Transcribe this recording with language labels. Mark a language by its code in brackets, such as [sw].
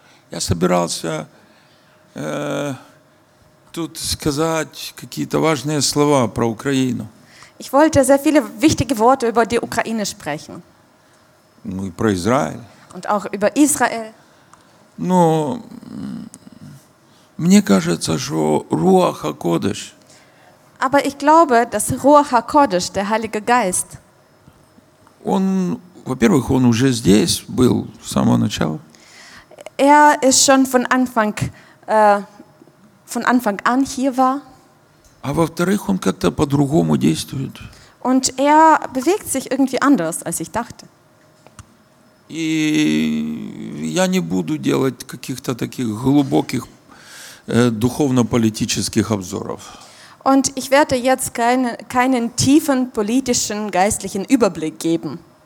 [ru] Я собирался тут сказать какие-то важные слова про Украину. [de] Ich wollte sehr viele wichtige Worte über die Ukraine sprechen. [ru] Ну и про Израиль. [de] Und auch über Israel. [ru] Но мне кажется, что Руах Акодеш. [de] Aber ich glaube, dass Ruach HaKodesh, der Heilige Geist. [ru] Он, во-первых, он уже здесь был с самого начала. [de] Er ist schon von Anfang an hier war. [ru] А во-вторых, он как-то по-другому действует. [de] Und er bewegt sich irgendwie anders, als ich dachte. [ru] И я не буду делать каких-то таких глубоких духовно-политических обзоров. [de] Und ich werde jetzt keinen tiefen politischen, geistlichen Überblick geben.